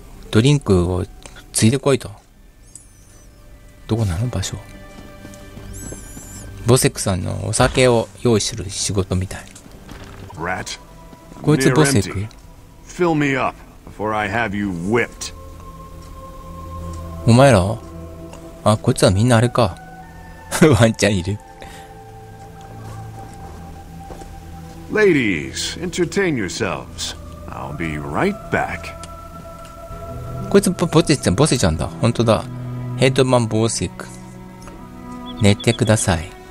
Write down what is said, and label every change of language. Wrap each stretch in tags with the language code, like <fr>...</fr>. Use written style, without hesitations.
<ja>ドリンクをついてこいと。どこなの場所。ボセックさんのお酒を用意する仕事みたい。</ja> <en>Rat.</en> <ja>こいつボセック。</ja> <en>Fill me up before I have you whipped.</en> <ja>お前ら? あ、こいつはみんなあれか。ワンちゃんいる。</ja> <en>Ladies, entertain yourselves. I'll be right back.</en> <ja>こいつ、ボセちゃんだ。ほんとだ。ヘッドマンボーセック。寝てください。</ja>